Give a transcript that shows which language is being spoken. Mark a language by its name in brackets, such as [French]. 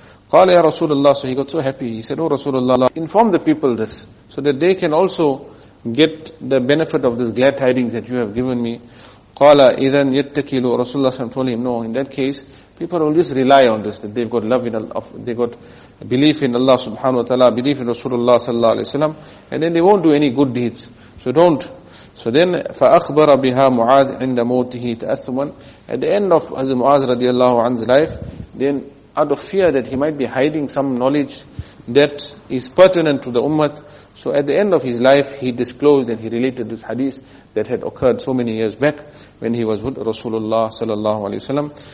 [Arabic] Qala ya Rasulullah, [English] so he got so happy, he said, O Rasulullah, inform the people this, so that they can also get the benefit of this glad tidings that you have given me. [Arabic] Qala idhan yattakilu, [English] Rasulullah told him, no, in that case, people will just rely on this, that they've got love in Allah, they've got belief in Allah subhanahu wa ta'ala, belief in Rasulullah sallallahu alayhi wa sallam, and then they won't do any good deeds. So don't. So then, [Arabic] فَأَخْبَرَ بِهَا مُعَاذْ عِنْدَ مُوتِهِ تَأَثُمًا. [English] At the end of Hazrat Mu'az radiallahu anhu's life, then out of fear that he might be hiding some knowledge that is pertinent to the ummah, So at the end of his life, he disclosed and he related this hadith that had occurred so many years back when he was with Rasulullah sallallahu alaihi wasallam.